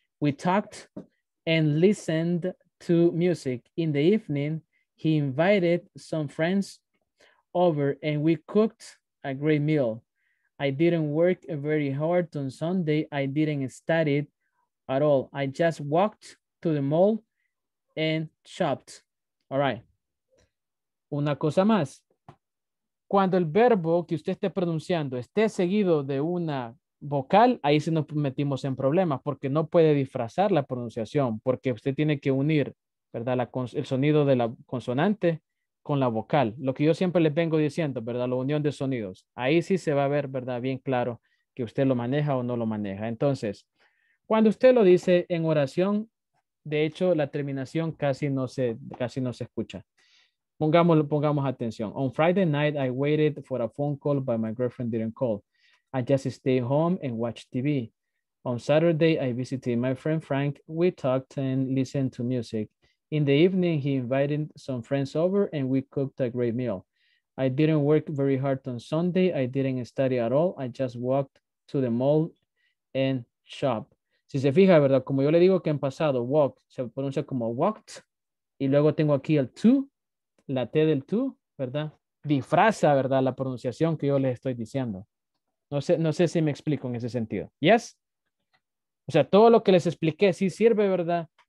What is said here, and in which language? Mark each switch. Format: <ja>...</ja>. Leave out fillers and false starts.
<en>We talked and listened to music. In the evening, he invited some friends over and we cooked a great meal. I didn't work very hard on Sunday. I didn't study at all. I just walked to the mall and shopped. All right.</en> <es>Una cosa más. Cuando el verbo que usted esté pronunciando esté seguido de una vocal, ahí sí nos metimos en problemas porque no puede disfrazar la pronunciación porque usted tiene que unir, ¿verdad? El sonido de la consonante con la vocal. Lo que yo siempre les vengo diciendo, ¿verdad? La unión de sonidos. Ahí sí se va a ver, ¿verdad? Bien claro que usted lo maneja o no lo maneja. Entonces, cuando usted lo dice en oración, de hecho, la terminación casi no se escucha. Pongamos atención.</es> <en>On Friday night, I waited for a phone call, but my girlfriend didn't call. I just stayed home and watched TV. On Saturday, I visited my friend Frank. We talked and listened to music. In the evening, he invited some friends over and we cooked a great meal. I didn't work very hard on Sunday. I didn't study at all. I just walked to the mall and shopped.</en> <es>Si se fija, ¿verdad? Como yo le digo que en pasado, walk, se pronuncia como walked. Y luego tengo aquí el to, la T del to, ¿verdad? Disfraza, ¿verdad? La pronunciación que yo les estoy diciendo. No sé si me explico en ese sentido. ¿Yes? O sea, todo lo que les expliqué sí sirve, ¿verdad?</es>